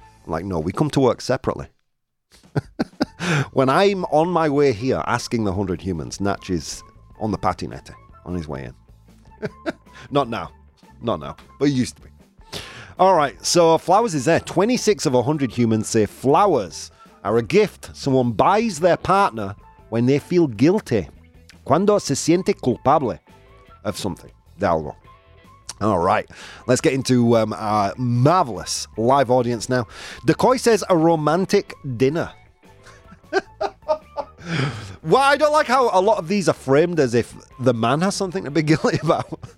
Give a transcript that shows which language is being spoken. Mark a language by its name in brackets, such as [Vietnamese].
[English] I'm like, no, we come to work separately. When I'm on my way here asking the 100 humans, Natch is on the patinette, on his way in. Not now, but he used to be. All right, so flowers is there. 26 of 100 humans say flowers are a gift someone buys their partner when they feel guilty. [Spanish] Cuando se siente culpable [English] of something, [Spanish] de algo. [English] All right, let's get into our marvelous live audience now. Decoy says a romantic dinner. Well, I don't like how a lot of these are framed as if the man has something to be guilty about.